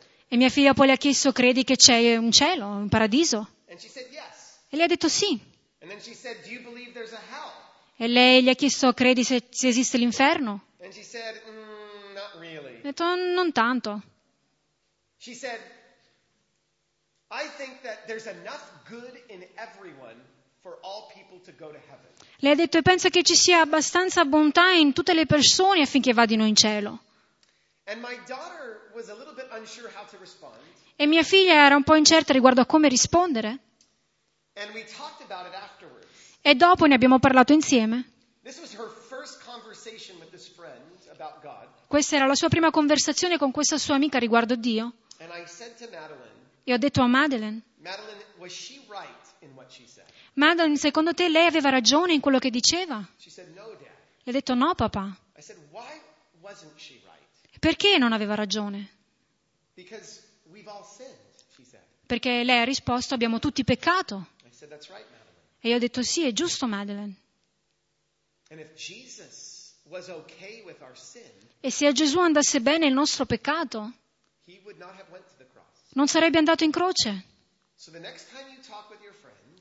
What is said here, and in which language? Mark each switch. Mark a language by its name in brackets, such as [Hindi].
[Italian] E mia figlia poi le ha chiesto, credi che c'è un cielo, un paradiso? [English] And she said, yes. [Italian] E lei ha detto sì. [English] And then she said, do you believe there's a hell? [Italian] E lei gli ha chiesto, credi se esiste l'inferno? [English] And she said, not really. [Italian] E ha detto, non tanto. [English] She said, I think that there's enough good in everyone for all people to go to heaven. [Italian] Lei ha detto, penso che ci sia abbastanza bontà in tutte le persone affinché vadino in cielo. [English] And my daughter was a little bit unsure how to respond. [Italian] E mia figlia era un po' incerta riguardo a come rispondere. [English] And we talked about it afterwards. [Italian] E dopo ne abbiamo parlato insieme. [English] This was her first conversation with this friend about God. [Italian] Questa era la sua prima conversazione con questa sua amica riguardo Dio. [English] And I said to Madeline, [Italian] e ho detto a Madeline, [English] Madeline, was she right in what she said? [Italian] Madeline, secondo te lei aveva ragione in quello che diceva? [English] She said, no, Dad. [Italian] Le ha detto no, papà. [English] I said, why wasn't she right? [Italian] Perché non aveva ragione? [English] Because we've all sinned, she said. [Italian] Perché lei ha risposto, abbiamo tutti peccato. [English] I said, that's right, Madeline. [Italian] E io ho detto, sì, è giusto, Madeline. [English] And if Jesus was okay with our sin, [Italian] e se a Gesù andasse bene il nostro peccato, [English] he would not have went to the cross. [Italian] Non sarebbe andato in croce. [English] So the next time you talk with your friend,